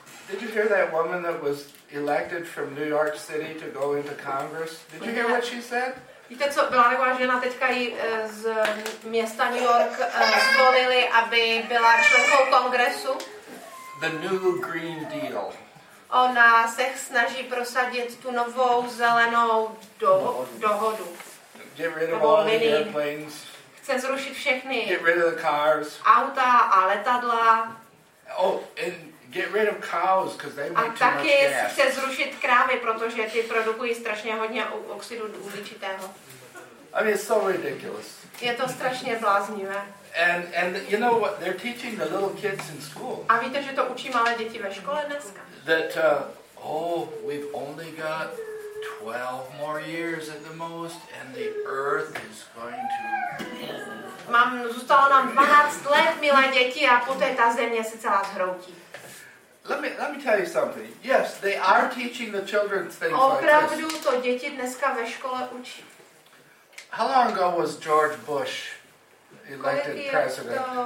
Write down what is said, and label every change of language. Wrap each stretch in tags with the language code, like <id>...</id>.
<en>Did you hear that woman that was elected from New York City to go into Congress? Did you hear what she said?</en> <cs>Víte, co byla taková žena, teďka ji z města New York zvolili, aby byla členkou Kongresu?</cs> <en>The new Green Deal.</en> <cs>Ona se snaží prosadit tu novou zelenou dohodu.</cs> <en>Get rid of all the airplanes.</en> <cs>Chce zrušit všechny.</cs> <en>Get rid of the cars.</en> <cs>Auta a letadla.</cs> <en>Oh, and get rid of cows, because they make too much gas.</en> <cs>A taky chce zrušit krávy, protože ty produkují strašně hodně oxidu uhličitého.</cs> <en>I mean, it's so ridiculous.</en> <cs>Je to strašně bláznivé.</cs> <en>And you know what? They're teaching the little kids in school.</en> <cs>A víte, že to učí malé děti ve škole dneska?</cs> <en>That we've only got 12 more years at the most, and the Earth is going to.</en> <cs>Mám zůstalo nám 12 let, milé děti, a poté ta země se celá zhroutí.</cs> <en>Let me tell you something. Yes, they are teaching the children things.</en> <cs>Opravdu to děti dneska ve škole učí.</cs> <en>How long ago was George Bush elected president?</en>